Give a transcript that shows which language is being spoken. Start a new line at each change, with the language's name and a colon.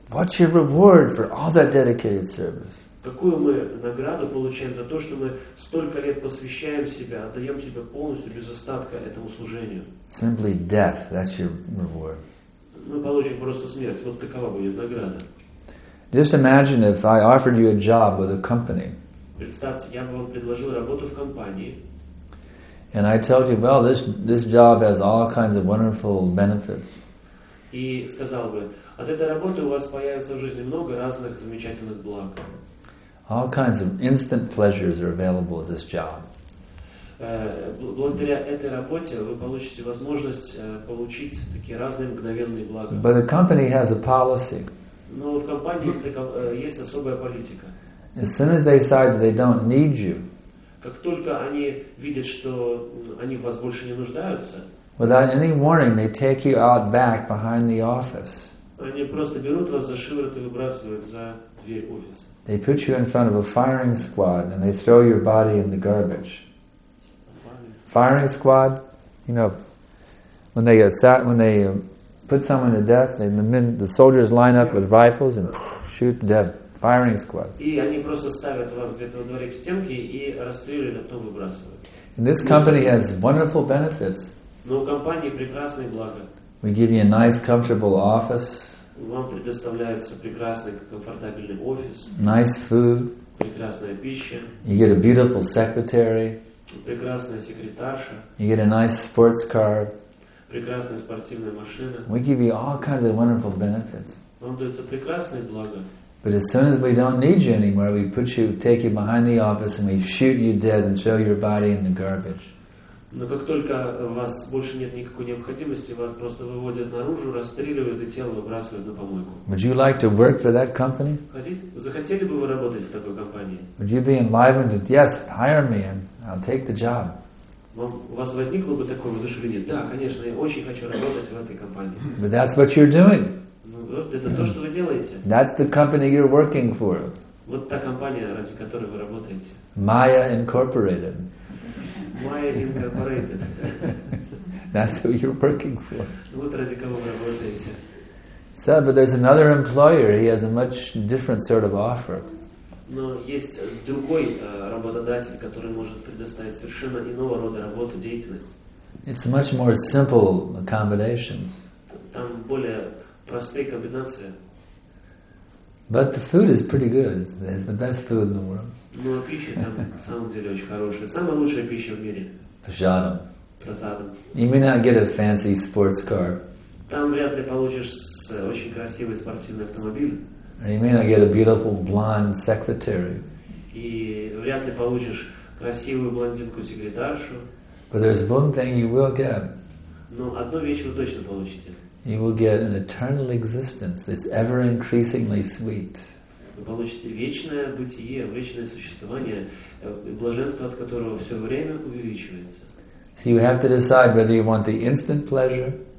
English: What's your reward for all that dedicated service?
Russian: Какую мы награду получаем за то, что мы столько лет посвящаем себя, отдаем себя полностью, без остатка этому служению?
English: Simply death, that's your reward.
Russian: Мы получим просто смерть, вот такова будет награда.
English: Just imagine if I offered you a job with a company.
Russian: Представьте, я бы вам предложил работу в компании.
English: And I told you, well, this job has all kinds of wonderful benefits.
Russian: И сказал бы, от этой работы у вас появится в жизни много разных замечательных благ.
English: All kinds of instant pleasures are available at this job.
Russian: Благодаря этой работе вы получите возможность получить такие разные мгновенные блага.
English: But the company has a policy.
Russian: Но в компании есть особая политика.
English: As soon as they decide that they don't need you,
Russian: как только они видят, что они в вас больше не нуждаются,
English: without any warning, they take you out back behind the office.
Russian: Они просто берут вас за шиворот и выбрасывают за дверь офиса.
English: They put you in front of a firing squad and they throw your body in the garbage. Firing squad, you know, when they get sat, when they put someone to death, and the men, the soldiers line up with rifles and shoot to death. Firing squad.
Russian: И они просто ставят вас где-то во дворе к стенке и расстреливают, а потом выбрасывают.
English: And this company has wonderful benefits.
Russian: Но у компании прекрасные блага.
English: We give you a nice, comfortable office.
Russian: Вам предоставляется прекрасный, комфортабельный офис.
English: Nice food.
Russian: Прекрасная пища.
English: You get a beautiful secretary.
Russian: Прекрасная секретарша.
English: You get a nice sports car.
Russian: Прекрасная спортивная машина.
English: We give you all kinds of wonderful benefits.
Russian: Вам даются прекрасные блага.
English: But as soon as we don't need you anymore, we put you, take you behind the office, and we shoot you dead and throw your body in the garbage.
Russian: Но как только у вас больше нет никакой необходимости, вас просто выводят наружу, расстреливают и тело выбрасывают на помойку.
English: Would you like to work for that company?
Russian: Захотели бы вы работать в такой компании?
English: Would you be enlivened? Yes, hire me and I'll take the job.
Russian: У вас возникло бы такое воодушевление? Да, конечно, я очень хочу работать в этой компании.
English: But that's what you're doing.
Russian: Это то, что вы делаете.
English: That's the company you're working for.
Russian: Вот та компания, ради которой вы работаете.
English: Maya Incorporated. Maya Incorporated. That's who you're working for.
Russian: Вот ради кого вы работаете.
English: So, but there's another employer. He has a much different sort of offer.
Russian: Но есть другой работодатель, который может предоставить совершенно иного рода работу, деятельность.
English: It's much more simple accommodations.
Russian: Там более простые комбинации.
English: But the food is pretty good. It's the best food in the world.
Russian: Но пища там на самом деле очень хорошая. Самая лучшая пища в мире. Прасадам. Прасадам.
English: You may not get a fancy sports car.
Russian: Там вряд ли получишь очень красивый спортивный автомобиль.
English: And you may not get a beautiful blonde secretary.
Russian: И вряд ли получишь красивую блондинку-секретаршу.
English: But there's one thing you will get.
Russian: Но одну вещь вы точно получите.
English: You will get an eternal existence that's ever increasingly sweet.
Russian: Вы получите вечное бытие, вечное существование, блаженство от которого все время увеличивается.
English: So you have to decide whether you want the instant pleasure.